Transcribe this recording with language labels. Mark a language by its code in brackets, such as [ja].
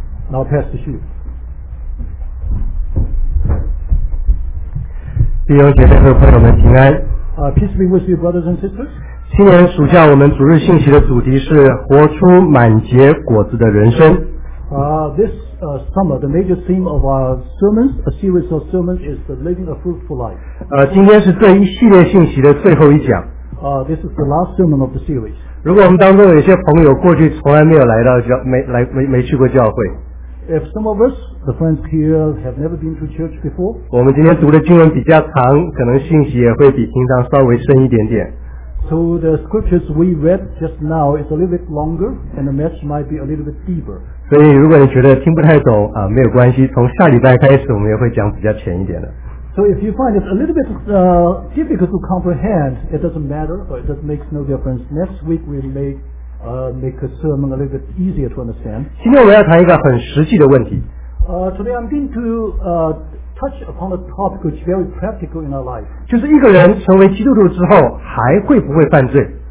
[en] Now pass the shoe。 [zh] 弟兄姐妹和朋友们平安。 [en] Peace be with you, brothers and sisters。 [zh] 新年暑假我们主日信息的主题是活出满结果子的人生。 [en] This summer, the major theme of our sermons, a series of sermons, is the living a fruitful life. [zh] 今天是这一系列信息的最后一讲。 [en] This is the last sermon of the series. [zh] 如果我们当中有一些朋友过去从来没有来到教，没去过教会。 [en] If some of us, the friends here, have never been to church before, [zh] 我们今天读的经文比较长，可能信息也会比平常稍微深一点点。 [en] So the scriptures we read just now is a little bit longer, and the message might be a little bit deeper. [zh] 所以如果你觉得听不太懂啊，没有关系，从下礼拜开始我们也会讲比较浅一点的。 [en] So if you find it a little bit difficult to comprehend, it doesn't matter, or it makes no difference. Next week we make a sermon a little bit easier to understand. [zh] 今天我要谈一个很实际的问题。 [en] Today I'm going to touch upon a topic which is very practical in our life. [zh] 就是一个人成为基督徒之后还会不会犯罪。